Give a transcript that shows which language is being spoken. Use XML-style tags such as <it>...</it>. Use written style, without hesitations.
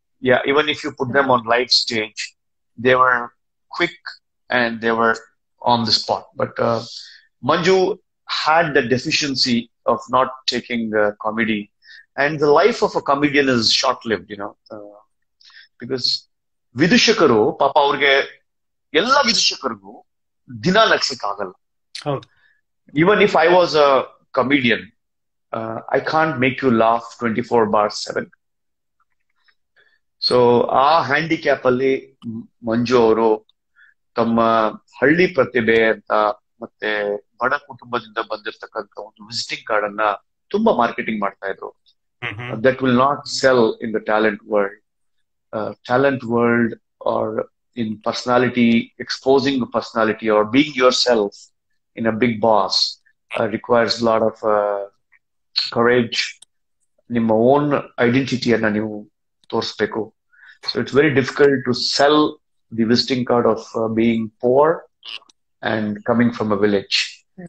<en>Yeah, even if you put them on live stage, they were quick and they were on the spot. But Manju had the deficiency of not taking comedy. And the life of a comedian is short-lived, you know.</en> <kn>Because ವಿದುಷಕರು ಪಾಪ ಅವ್ರಿಗೆ ಎಲ್ಲ ವಿದುಷಕರಿಗೂ ದಿನ ನಗ್ಸಕ್ ಆಗಲ್ಲ. ಹೌದು</kn> <en>Even if I was a comedian, I can't make you laugh 24/7.</en> <kn>So ಆ handicap ಅಲ್ಲಿ ಮಂಜು ಅವರು ತಮ್ಮ ಹಳ್ಳಿ ಪ್ರತಿಭೆ ಅಂತ ಮತ್ತೆ ಬಡ ಕುಟುಂಬದಿಂದ ಬಂದಿರತಕ್ಕಂಥ ಒಂದು ವಿಸಿಟಿಂಗ್ ಕಾರ್ಡ್ ಅನ್ನ ತುಂಬಾ ಮಾರ್ಕೆಟಿಂಗ್ ಮಾಡ್ತಾ ಇದ್ರು.</kn> <en>That will not sell in the talent world. Talent world or in personality, exposing personality or being yourself in a big boss requires a lot of courage.</en> <kn>Nimma own identity anna neevu torisbeku.</kn> <en>So it's very difficult to sell the visiting card of being poor and coming from a village.</en>